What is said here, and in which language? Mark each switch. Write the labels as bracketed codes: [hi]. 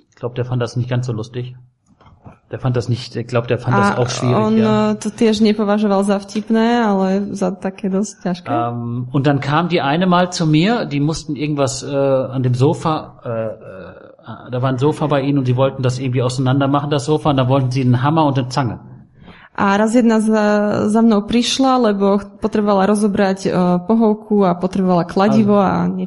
[de] Ich glaube, der fand das nicht ganz so lustig. Der fand das nicht, ich glaube, der fand das auch schwierig. [sk] On, ja. To tiež nepovažoval za vtipné, ale za také dosť ťažké. [de] Und dann kam die eine mal zu mir, die mussten irgendwas an dem Sofa, da war ein Sofa bei ihnen und sie wollten das irgendwie auseinander machen, das Sofa, und da wollten sie einen Hammer und eine Zange. [sk] A raz jedna za mnou prišla, lebo potrebovala rozobrať pohovku a potrebovala kladivo a niečo